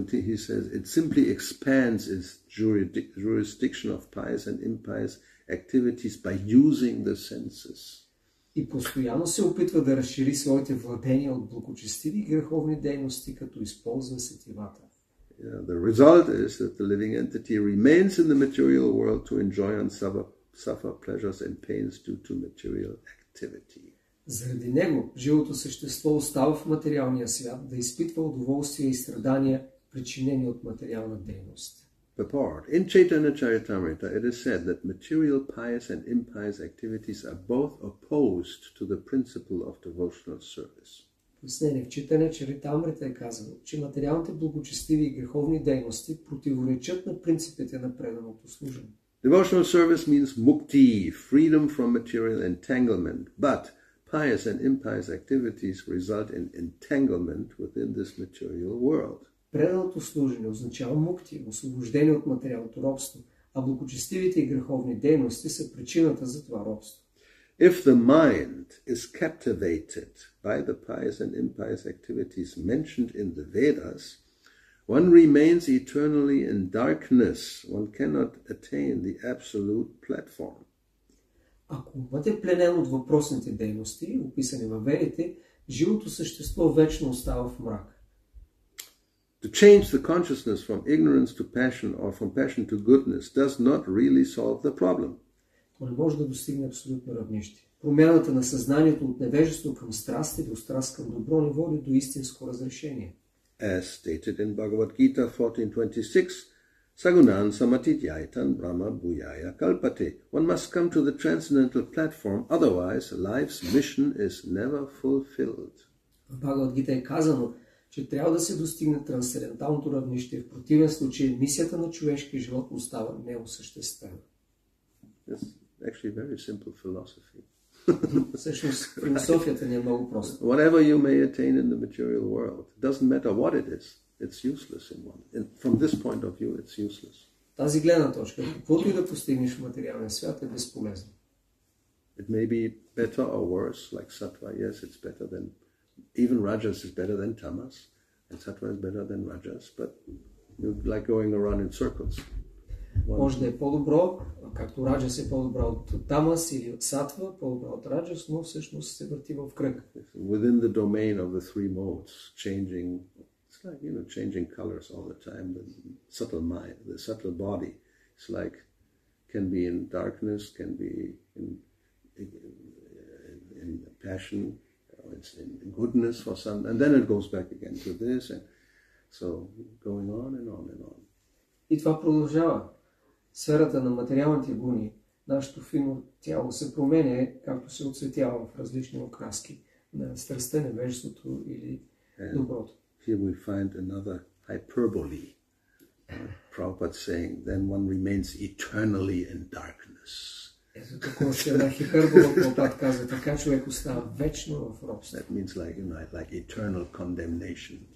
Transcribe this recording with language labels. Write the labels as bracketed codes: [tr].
[en] He says it simply expands its jurisdiction of pious and impious activities by using the senses. [bg] И постоянно се опитва да разшири своите владения от благочестиви и греховни дейности, като използва сетивата. [en] Yeah, the result is that the living entity remains in the material world to enjoy and suffer pleasures and pains due to material activity. [bg] Заради него, живото същество остава в материалния свят да изпитва удоволствие и страдания, причинени от материална дейност. [en] Purport. In Chaitanya Charitamrita, it is said that material pious and impious activities are both opposed to the principle of devotional service. [bg] Пояснение. В Чайтанья Чаритамрита е казано, че материалните благочестиви и греховни дейности противоречат на принципите на преданото служене. [en] Devotional service means mukti, freedom from material entanglement, but pious and impious activities result in entanglement within this material world. [bg] Преданото служение означава мукти, освобождение от материалното робство, а благочестивите и греховни дейности са причината за това робство. [en] If the mind is captivated by the pious and impious activities mentioned in the Vedas, one remains eternally in darkness. One cannot attain the absolute platform. [bg] Ако умът е пленен от въпросните дейности, описани във ведите, живото същество вечно остава в мрак. [en] To change the consciousness from ignorance to passion or from passion to goodness does not really solve the problem. [bg] Не може да достигне абсолютно равнище. Промяната на съзнанието от невежество към страст или от страст към добро не води до истинско разрешение. [en] As stated in Bhagavad Gita 14.26, [sa] Sagunan Samatityaitan Brahma Bhuyaya Kalpate. [en] One must come to the transcendental platform, otherwise life's mission is never fulfilled. [bg] В Бхагавад Гита е казано, че трябва да се достигне трансценденталното равнище, в противен случай мисията на човешкия живот остава неосъществена. [en] It's actually very simple philosophy. [bg] Всъщност, философията ни е много проста. [en] Whatever you may attain in the material world, it doesn't matter what it is, it's useless in one. And from this point of view, it's useless. [bg] Тази гледна точка, каквото и да постигнеш в материалния свят, е безполезно. [en] It may be better or worse, like sattva. Yes, it's better than... Even rajas is better than tamas, and sattva is better than rajas, but you're like going around in circles. [bg] Може да е по-добро, както раджас е по-добро от тамас или от сатва, по-добро от раджас, но всъщност се върти в кръг. [en] Within the domain of the three modes, changing, it's like, you know, changing colors all the time, the subtle mind, the subtle body, it's like, can be in darkness, can be in passion, or it's in goodness for some, and then it goes back again to this, and so going on and on and on. [bg] И това продължава. Сферата на материалните гуни, нашето фино тяло се променя, както се отцветява в различни окраски на страстта, невежеството или доброто. [en] Here we find another hyperbole. Prabhupada saying, then one remains eternally in darkness. [bg] Ето такова ще една хиперболо, Прабхупад казва, така човек остава вечно в робство. [en] That means like, you know, like eternal condemnation.